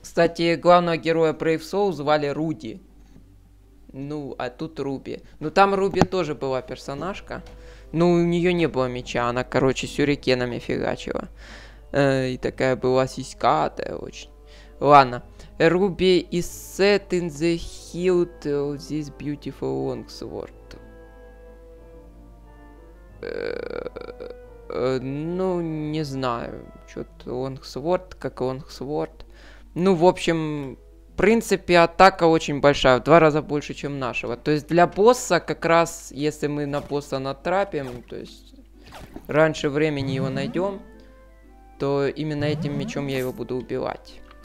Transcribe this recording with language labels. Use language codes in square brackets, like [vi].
[ru] Кстати, главного героя Brave Soul звали Руди. Ну, а тут Руби. Ну, там Руби тоже была персонажка. Ну, у нее не было меча, она, короче, сюрикенами фигачила. И такая была сиськатая очень. Ладно. [en] Руби is set in the hilt of this beautiful longsword. [ru] Ну, не знаю. Что-то longsword, как longsword. Ну, в общем, в принципе, атака очень большая. В два раза больше, чем нашего. То есть для босса, как раз, если мы на босса натрапим, то есть раньше времени его найдем, то именно этим мечом я его буду убивать.